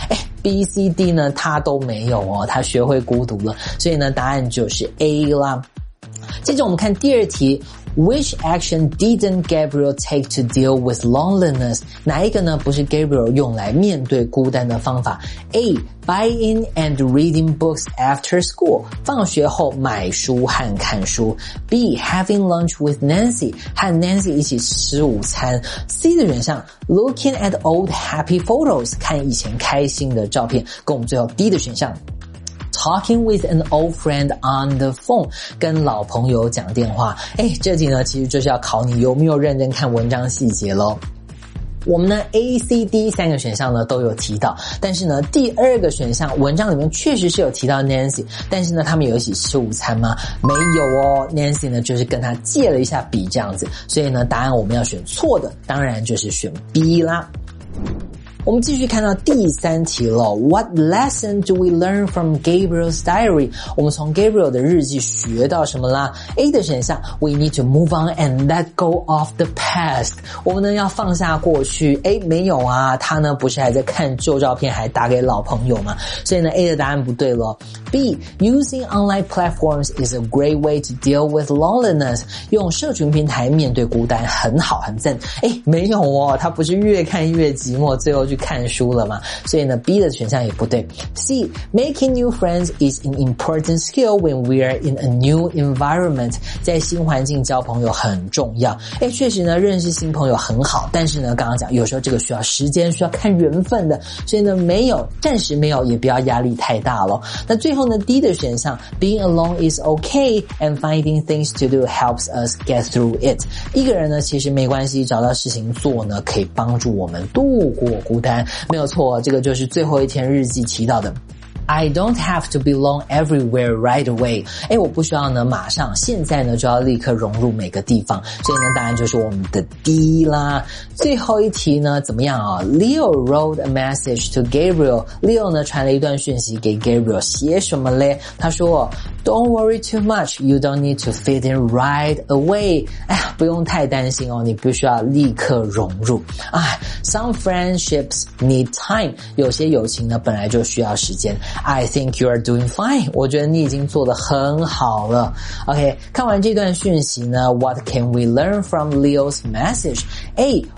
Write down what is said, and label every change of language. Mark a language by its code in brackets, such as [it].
[zh] 诶， B, C, D 呢他都没有哦，他学会孤独了。所以呢答案就是 A 啦。接着我们看第二题， [en] Which action didn't Gabriel take to deal with loneliness? [zh] 哪一个呢不是 Gabriel 用来面对孤单的方法？A. [en] Buying and reading books after school. [zh] 放学后买书和看书。 [en] B. Having lunch with Nancy. [zh] 和 Nancy 一起吃午餐。 C 的选项 [en] Looking at old happy photos. [zh] 看以前开心的照片。跟我们最后 D 的选项 [en] Talking with an old friend on the phone, [zh] 跟老朋友讲电话。诶，这题呢，其实就是要考你有没有认真看文章细节咯。我们呢 ACD 三个选项呢都有提到，但是呢第二个选项文章里面确实是有提到 Nancy， 但是呢他们有一起吃午餐吗？没有哦， Nancy 呢就是跟他借了一下笔这样子，所以呢答案我们要选错的当然就是选 B 啦。我们继续看到第三题了。 [en] What lesson do we learn from Gabriel's diary? [zh] 我们从 Gabriel 的日记学到什么啦？ A 的选项 [en] We need to move on and let go of the past. [zh] 我们呢要放下过去。诶，没有啊，他呢不是还在看旧照片还打给老朋友吗？所以呢 A 的答案不对了。 [en] B Using online platforms is a great way to deal with loneliness. [zh] 用社群平台面对孤单很好很赞。诶，没有哦，他不是越看越寂寞最后去看书了嘛，所以呢 B 的选项也不对。 [en] C Making new friends is an important skill when we are in a new environment. [zh] 在新环境交朋友很重要。诶，确实呢认识新朋友很好，但是呢刚刚讲有时候这个需要时间，需要看缘分的，所以呢没有，暂时没有也不要压力太大咯。那最后呢 D 的选项 [en] Being alone is okay and finding things to do helps us get through it. [zh] 一个人呢其实没关系，找到事情做呢可以帮助我们度过孤单，没有错，这个就是最后一天日记提到的。 [en] I don't have to belong everywhere right away. [zh] 诶，我不需要呢，马上，现在呢，就要立刻融入每个地方。所以呢，答案就是我们的 D 啦。最后一题呢，怎么样啊？ [en] Leo wrote a message to Gabriel. [zh] Leo 呢，传了一段讯息给 Gabriel， 写什么嘞？他说 [en] Don't worry too much. You don't need to fit in right away. [zh] 哎呀，不用太担心哦，你不需要立刻融入。 [en] 哎， Some friendships need time. [zh] 有些友情呢，本来就需要时间。 [en] I think you are doing fine. [zh] 我觉得你已经做得很好了。 [en] OK， [zh] 看完这段讯息呢， [en] What can we learn from Leo's message? A.